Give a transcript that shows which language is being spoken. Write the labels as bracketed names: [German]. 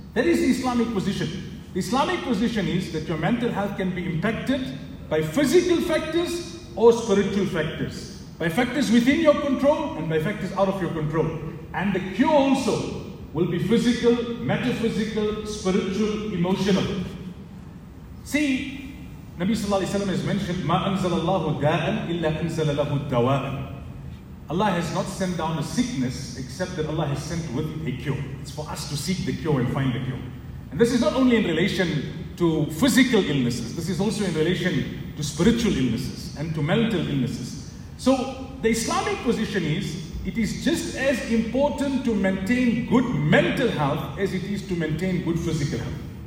[English] That is the Islamic position. The Islamic position is that your mental health can be impacted by physical factors or spiritual factors, by factors within your control and by factors out of your control. And the cure also will be physical, metaphysical, spiritual, emotional. See, Nabi Sallallahu Alaihi Wasallam has mentioned, [Arabic] مَا أَنزَلَ اللَّهُ دَاءً إِلَّا أَنزَلَ لَهُ الدَّوَاءً. [English] Allah has not sent down a sickness except that Allah has sent with a cure. It's for us to seek the cure and find the cure. And this is not only in relation to physical illnesses. This is also in relation to spiritual illnesses and to mental illnesses. So the Islamic position is, it is just as important to maintain good mental health as it is to maintain good physical health.